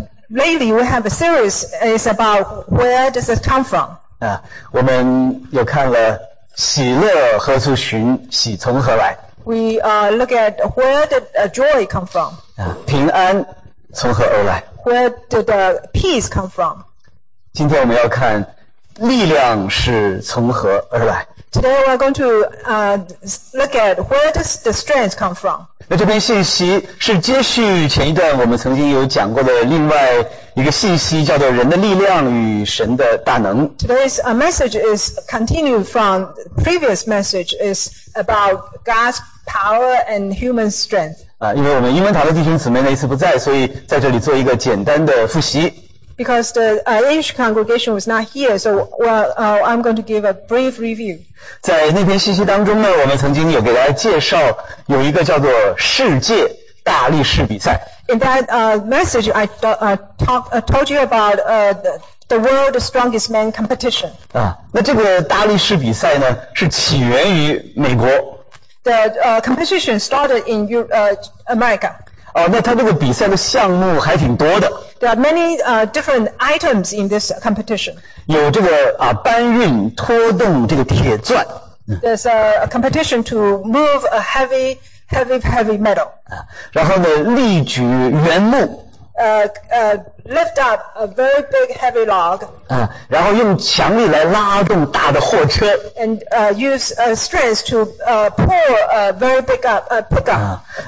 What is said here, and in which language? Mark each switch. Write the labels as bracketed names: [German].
[English] Lately we have a series, it's about where does it come from? [Chinese] 我们有看了喜乐何处使，喜从何来。 [English] We look at where did joy come from? [Chinese] 平安从何而来。 [English] Where did the peace come from? [Chinese] 今天我们要看力量是从何而来。 [English] Today we're going to look at where does the strength come from? [Chinese] 那这篇信息是接续前一段我们曾经有讲过的另外一个信息，叫做人的力量与神的大能。 [English] Today's message is continued from previous message is about God's power and human strength. [Chinese] 因为我们英文堂的弟兄姊妹那一次不在，所以在这里做一个简单的复习。 [English] Because the English congregation was not here, so I'm going to give a brief review. [Chinese] 在那篇信息当中呢，我们曾经有给大家介绍有一个叫做世界大力士比赛。 [English] In that message, I told you about the World Strongest Man competition. [Chinese] 那这个大力士比赛呢，是起源于美国。 [English] The competition started in America. [Chinese] 那它这个比赛的项目还挺多的。 [English] There are many different items in this competition. [Chinese] 有这个搬运拖动这个铁钻。 [English] There's a competition to move a heavy metal. [Chinese] 然后呢，力举圆木。 [English] Lift up a very big heavy log. [Chinese] 然后用强力来拉动大的货车。 [English] And use strength to pull a very big up pickup.